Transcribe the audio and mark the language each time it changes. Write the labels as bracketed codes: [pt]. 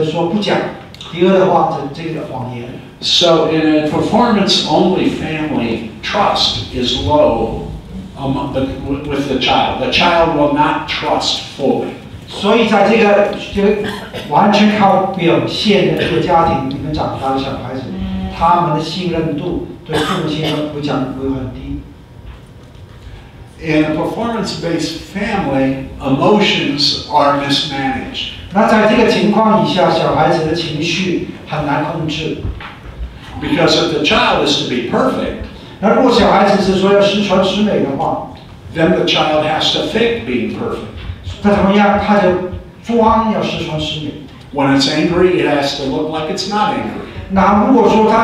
[zh] 那这样的情况以下的话，你没有办法了，所以只有两个选择，一个就是说不讲，第二的话就这个谎言。 [en] So in a performance-only family, trust is low with the child. The child will not trust fully. [zh] 所以在这个完全靠表现的这个家庭里面长大的小孩子，他们的信任度对父母亲会降会很低。In [en] a performance-based family, emotions are mismanaged. [zh] 那在这个情况以下，小孩子的情绪很难控制。 [en] Because if the child is to be perfect, [zh] 那如果小孩子是说要十全十美的话, [en] then the child has to fake being perfect. [zh] 那怎么样，他就装要十全十美。 [en] When it's angry, it has to look like it's not angry.